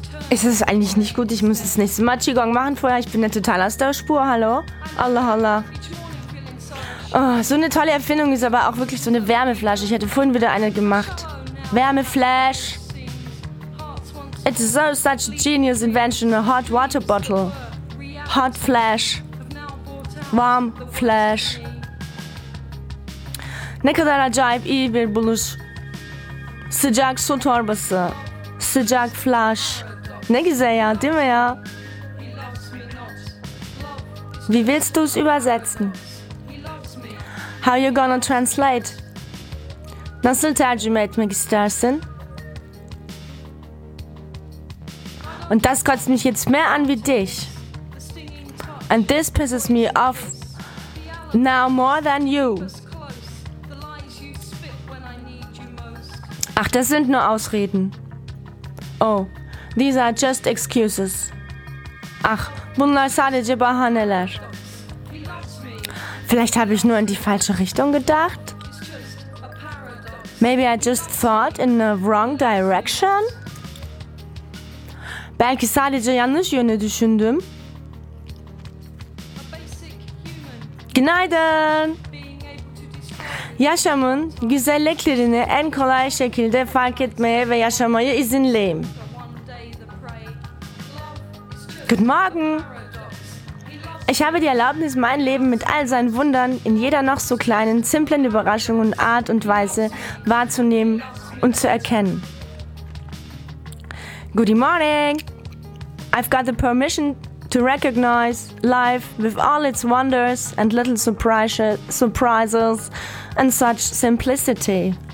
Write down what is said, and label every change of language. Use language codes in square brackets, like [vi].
[de] Ist es eigentlich nicht gut? Ich muss das nächste Mal Qigong machen vorher. Ich bin ja total aus der Spur. Hallo? Allah, Allah. Oh, so eine tolle Erfindung ist aber auch wirklich so eine Wärmeflasche. Ich hätte vorhin wieder eine gemacht. Wärmeflash. [en] It's so such a genius invention. A hot water bottle. Hot flash. Warm flash. [tr] Ne kadar acayip iyi bir buluş. Sıcak su torbası. Sıcak flash. Ne güzel ya, değil mi ya? [de] Wie willst du es übersetzen? [en] How you gonna translate? [tr] Nasıl tercüme etmek istersin? [de] Und das kotzt mich jetzt mehr an wie dich. [en] And this pisses me off now more than you. [de] Ach, das sind nur Ausreden. [en] Oh, these are just excuses. [tr] Ach, bunlar sadece bahaneler. [de] Vielleicht habe ich nur in die falsche Richtung gedacht. [en] Maybe I just thought in the wrong direction. [tr] Belki sadece yanlış yöne düşündüm. Günaydın! Yaşamın güzelliklerini en kolay şekilde fark etmeye ve yaşamayı izinleyin. [en] Good morning. [de] Ich habe die Erlaubnis, mein Leben mit all seinen Wundern in jeder noch so kleinen, simplen Überraschung und Art und Weise wahrzunehmen und zu erkennen. [en] Good morning! I've got the permission to recognize life with all its wonders and little surprises and such simplicity.